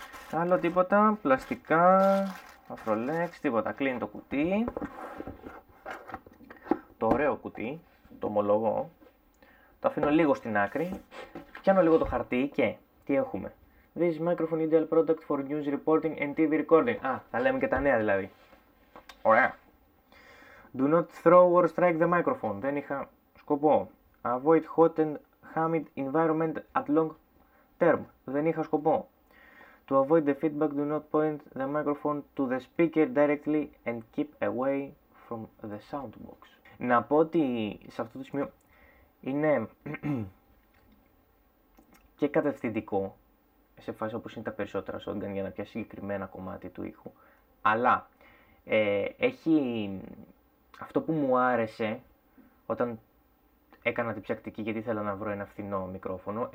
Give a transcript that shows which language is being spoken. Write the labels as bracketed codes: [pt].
[el] Άλλο τίποτα, πλαστικά, αφρολέξ, τίποτα, κλείνει το κουτί. Το ωραίο κουτί, το ομολογώ. Το αφήνω λίγο στην άκρη. Πιάνω λίγο το χαρτί και τι έχουμε. [en] This microphone ideal product for news reporting and TV recording. [el] Α, θα λέμε και τα νέα δηλαδή. Ωραία. [en] Do not throw or strike the microphone. [el] Δεν είχα σκοπό. [en] Avoid hot and humid environment at long term. [el] Δεν είχα σκοπό. [en] To avoid the feedback, do not point the microphone to the speaker directly and keep away from the sound box. [el] Να πω ότι σε αυτό το σημείο είναι και κατευθυντικό σε φάση όπως είναι τα περισσότερα shotgun για να πιάσει συγκεκριμένα κομμάτι του ήχου, αλλά έχει αυτό που μου άρεσε όταν έκανα την ψακτική, γιατί ήθελα να βρω ένα φθηνό μικρόφωνο.